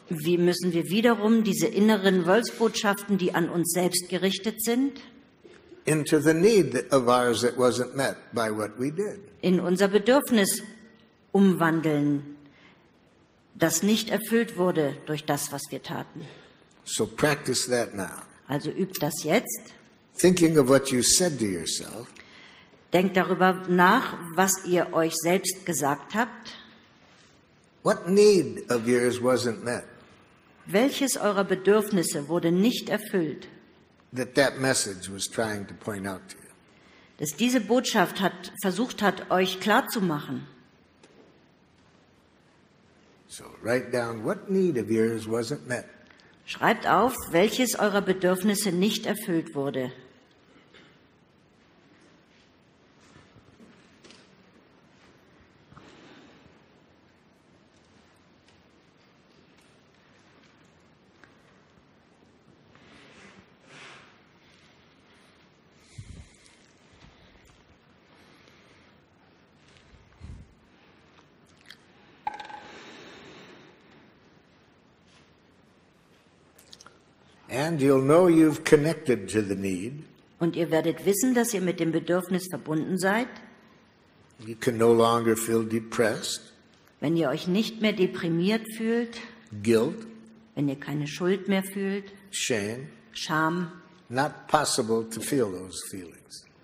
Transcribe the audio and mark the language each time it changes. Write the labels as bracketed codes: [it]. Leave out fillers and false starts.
[de] Wie müssen wir wiederum diese inneren Wolfsbotschaften, die an uns selbst gerichtet sind? [en] Into the need of ours that wasn't met by what we did. [de] In unser Bedürfnis umwandeln, das nicht erfüllt wurde durch das, was wir taten. [en] So practice that now. [de] Also übt das jetzt. [en] Thinking of what you said to yourself. [de] Denkt darüber nach, was ihr euch selbst gesagt habt. [en] What need of yours wasn't met? [de] Welches eurer Bedürfnisse wurde nicht erfüllt? [en] That message was trying to point out to you. [de] Dass diese Botschaft hat versucht hat euch klar zu machen. [en] So write down what need of yours wasn't met. [de] Schreibt auf, welches eurer Bedürfnisse nicht erfüllt wurde. [en] And you'll know you've connected to the need. [de] Und ihr werdet wissen, dass ihr mit dem Bedürfnis verbunden seid. [en] You can no longer feel depressed. [de] Wenn ihr euch nicht mehr deprimiert fühlt. [en] Guilt. [de] Wenn ihr keine Schuld mehr fühlt. [en] Shame. [de] Scham. [en] Not possible to feel those feelings.